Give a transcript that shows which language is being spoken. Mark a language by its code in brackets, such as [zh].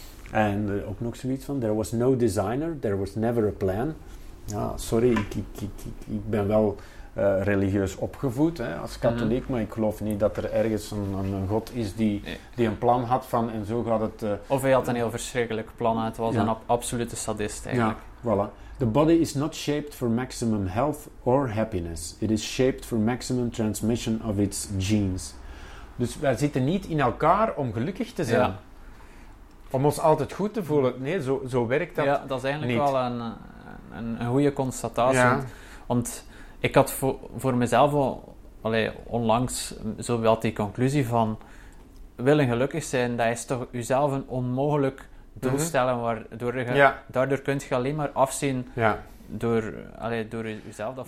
[nl] En ook nog zoiets van, [en] there was no designer, there was never a plan. [nl] Ja, sorry, ik ben wel religieus opgevoed, hè, als katholiek, maar ik geloof niet dat er ergens een God is die een plan had van, en zo gaat het... Of hij had een heel verschrikkelijk plan, het was een absolute sadist eigenlijk. Ja, voilà. [en] The body is not shaped for maximum health or happiness. It is shaped for maximum transmission of its genes. [nl] Dus wij zitten niet in elkaar om gelukkig te zijn. Ja. Om ons altijd goed te voelen. Nee, zo werkt dat niet. Ja, dat is eigenlijk niet. Wel een goede constatatie. Ja. Want ik had voor mezelf onlangs zo wel die conclusie van willen gelukkig zijn, dat is toch jezelf een onmogelijk doelstellen waardoor je daardoor kunt je alleen maar afzien door jezelf.